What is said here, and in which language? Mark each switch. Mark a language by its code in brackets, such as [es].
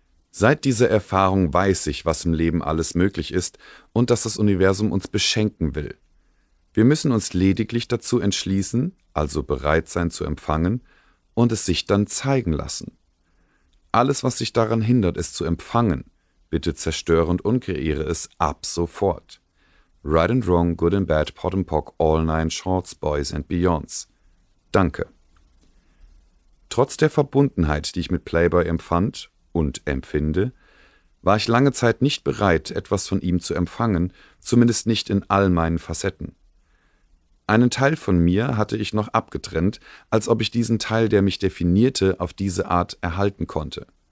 [de] Seit dieser Erfahrung weiß ich, was im Leben alles möglich ist und dass das Universum uns beschenken will. Wir müssen uns lediglich dazu entschließen, also bereit sein zu empfangen, und es sich dann zeigen lassen. Alles, was sich daran hindert, es zu empfangen, bitte zerstöre und unkreiere es ab sofort. [en] Right and wrong, good and bad, pot and pock, all nine shorts, boys and beyonds. [de] Danke. Trotz der Verbundenheit, die ich mit Playboy empfand und empfinde, war ich lange Zeit nicht bereit, etwas von ihm zu empfangen, zumindest nicht in all meinen Facetten. Einen Teil von mir hatte ich noch abgetrennt, als ob ich diesen Teil, der mich definierte, auf diese Art erhalten konnte.